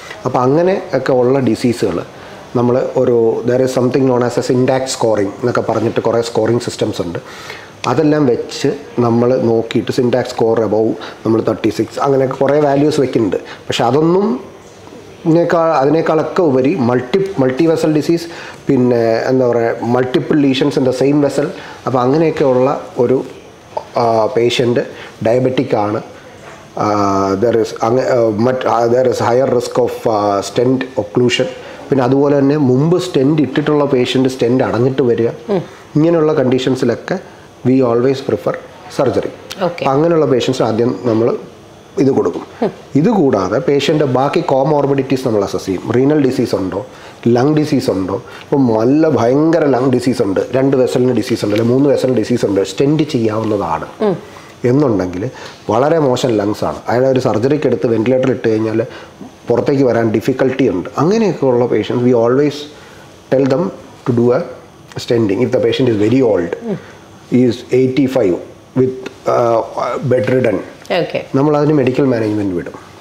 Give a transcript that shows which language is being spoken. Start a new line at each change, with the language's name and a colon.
Malayalam: അപ്പോൾ അങ്ങനെ ഒക്കെ ഉള്ള ഡിസീസുകൾ നമ്മൾ ഒരു
English: there is something known as a
Malayalam: syntax scoring എന്നൊക്കെ പറഞ്ഞിട്ട് കുറേ സ്കോറിംഗ് സിസ്റ്റംസ് ഉണ്ട്, അതെല്ലാം വെച്ച് നമ്മൾ നോക്കിയിട്ട് സിൻഡാക്സ് സ്കോർ അബവ് നമ്മൾ 36 അങ്ങനെയൊക്കെ കുറേ വാല്യൂസ് വയ്ക്കുന്നുണ്ട്. പക്ഷെ അതൊന്നും അതിനേക്കാളൊക്കെ ഉപരി മൾട്ടി വെസൽ ഡിസീസ്, പിന്നെ എന്താ പറയുക,
English: multiple lesions in the same vessel,
Malayalam: അപ്പോൾ അങ്ങനെയൊക്കെ ഉള്ള ഒരു patient ഡയബറ്റിക്കാണ്,
English: there is higher risk of stent occlusion.
Malayalam: പിന്നെ അതുപോലെ തന്നെ മുമ്പ് സ്റ്റെൻറ് ഇട്ടിട്ടുള്ള പേഷ്യൻ്റ് സ്റ്റെൻറ് അടഞ്ഞിട്ട് വരിക, ഇങ്ങനെയുള്ള കണ്ടീഷൻസിലൊക്കെ
English: We always prefer surgery.
Malayalam: അങ്ങനെയുള്ള പേഷ്യൻസ് ആദ്യം നമ്മൾ ഇത് കൊടുക്കും. ഇതുകൂടാതെ പേഷ്യൻ്റെ ബാക്കി കോമോർബിഡിറ്റീസ് നമ്മൾ അസസ് ചെയ്യും. റീനൽ ഡിസീസ് ഉണ്ടോ, ലങ് ഡിസീസ് ഉണ്ടോ, ഇപ്പം നല്ല ഭയങ്കര ലങ് ഡിസീസ് ഉണ്ട്, രണ്ട് വെസലിന് ഡിസീസ് ഉണ്ട് അല്ലെങ്കിൽ മൂന്ന് വെസലിന് ഡിസീസ് ഉണ്ട്, സ്റ്റെൻറ് ചെയ്യാവുന്നതാണ് എന്നുണ്ടെങ്കിൽ വളരെ മോശം ലങ്സ് ആണ്, അയാളെ ഒരു സർജറിക്ക് എടുത്ത് വെന്റിലേറ്റർ ഇട്ട് കഴിഞ്ഞാൽ പുറത്തേക്ക് വരാൻ ഡിഫിക്കൽട്ടി ഉണ്ട്, അങ്ങനെയൊക്കെയുള്ള patients
English: we always tell them to do a stenting if the patient is very old, is 85 with bedridden,
Malayalam: നമ്മളതിന് മെഡിക്കൽ മാനേജ്മെൻറ്റ് വിടും.